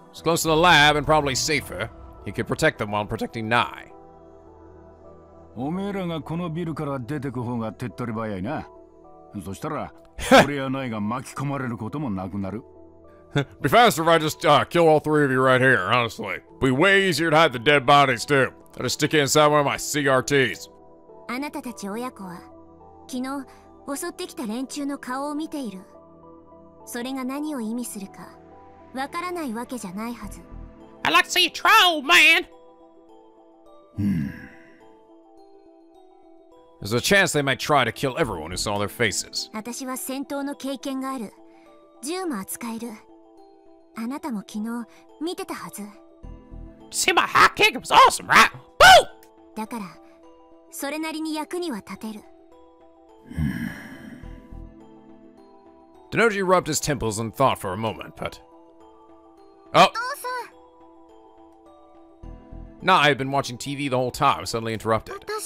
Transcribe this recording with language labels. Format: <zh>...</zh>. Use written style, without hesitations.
<en>It's close to the lab and probably safer. He could protect them while protecting Nai.</en> <ja>おめえらがこのビルから出てく方が手っ取り早いな。そしたら、俺やナイが巻き込まれることもなくなる。</ja> <en>Be faster if I just kill all three of you right here, honestly. Be way easier to hide the dead bodies too. I'll just stick it inside one of my CRTs.</en> <ja>あなたたち親子は、昨日、襲ってきた連中の顔を見ている。それが何を意味するか、わからないわけじゃないはず。</ja> <en>I'd like to see you try, old man! There's a chance they might try to kill everyone who saw their faces.</en> <ja>私は戦闘の経験がある。銃も扱える。あなたも昨日、見てたはず。</ja> <en>You see my hot kick? It was awesome, right? Boo!</en> <ja>だから、それなりに役には立てる。</ja> <en>Denoji rubbed his temples and thought for a moment, but... Oh! Nah, I had been watching TV the whole time, suddenly interrupted.</en>